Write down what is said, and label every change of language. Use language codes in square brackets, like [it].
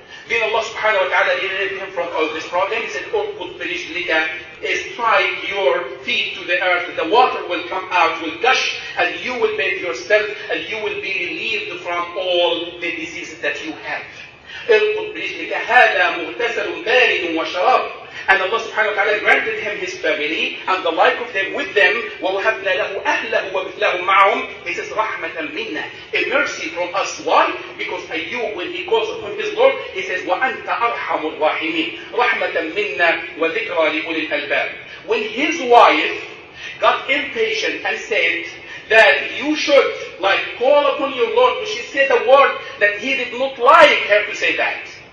[en] Then Allah subhanahu wa ta'ala delivered him from all this problem. He said, [ar] "Urkut bi rijlika, [en] strike your feet to the earth, the water will come out, will gush, and you will bathe yourself, and you will be relieved from all the diseases that you have." [ar] Urkut bi rijlika, hada mughtasalun baridun wa sharab. [en] And Allah subhanahu wa ta'ala granted him his family and the like of them with them. [ar] وَوَهَبْنَا لَهُ أَهْلَهُ وَمِثْلَهُمْ مَعْهُمْ [en] He says, [ar] رَحْمَةً مِنَّا [en] A mercy from us. Why? Because Ayyub, when he calls upon his Lord, he says, [ar] وَأَنْتَ أَرْحَمُ الرَّاحِمِينَ رَحْمَةً مِنَّا وَذِكْرَى لِأُولِي الْأَلْبَابِ [en] When his wife got impatient and said that you should like call upon your Lord, but she said a word that he did not like her to say that.